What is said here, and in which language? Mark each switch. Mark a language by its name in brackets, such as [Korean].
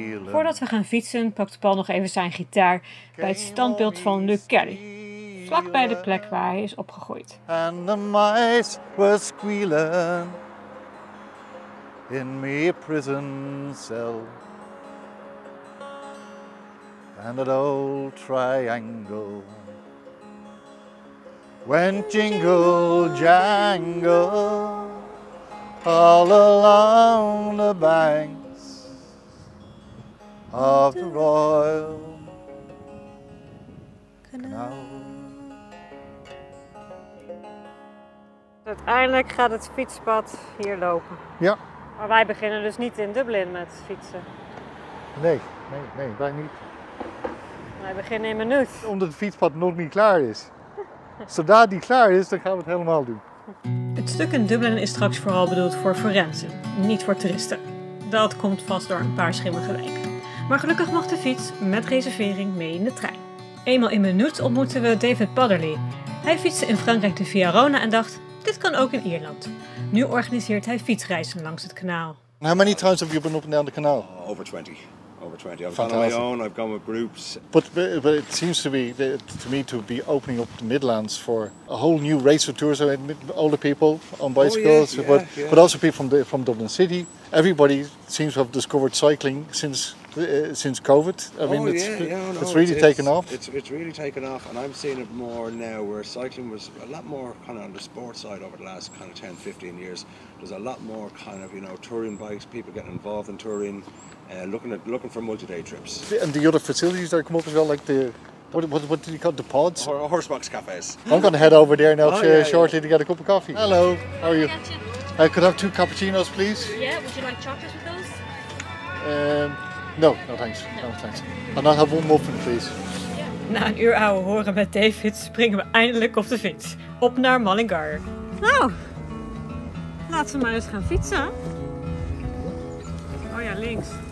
[Dutch] Voordat we gaan fietsen, pakt Paul nog even zijn gitaar bij het standbeeld van Luke Kelly. Vlak bij de plek waar hij is opgegroeid. [English] And the mice were squealing in me prison cell. And that old triangle went jingle jangle. All along the banks of the Royal Canal. [Dutch] Uiteindelijk gaat het fietspad hier lopen. Ja. Maar wij beginnen dus niet in Dublin met fietsen. Nee, wij niet. Wij beginnen in Maynooth. Omdat het fietspad nog niet klaar is. Zodra die klaar is, dan gaan we het helemaal doen. Het stuk in Dublin is straks vooral bedoeld voor forensen, niet voor toeristen. Dat komt vast door een paar schimmige wijken. Maar gelukkig mag de fiets, met reservering, mee in de trein. Eenmaal in Maynooth ontmoeten we David Padderley. Hij fietste in Frankrijk de Via Rona en dacht, dit kan ook in Ierland. Nu organiseert hij fietsreizen langs het kanaal. [English] How many times have you been up and down the canal? Over 20. I've gone on my own, I've gone with groups. But it seems to me to be opening up the Midlands for a whole new race of tours. Older people on bicycles, but also people from Dublin City. Everybody seems to have discovered cycling since COVID. It's really taken off. It's really taken off, and I'm seeing it more now where cycling was a lot more kind of on the sports side over the last kind of 10, 15 years. There's a lot more kind of, you know, touring bikes, people getting involved in touring. Looking for multi-day trips. And the other facilities that come up as well, like the what do you call it, the pods? Horsebox cafes. I'm going to head over there now shortly to get a cup of coffee. Hello, how are you? I could have 2 cappuccinos, please. Yeah, would you like chocolate with those? No, thanks. No thanks. And I'll have 1 muffin, please. Yeah. [Dutch] Na een uur ouwe horen met David springen we eindelijk op de fiets. Op naar Mullingar. Nou, laten we maar eens gaan fietsen. Oh ja, links.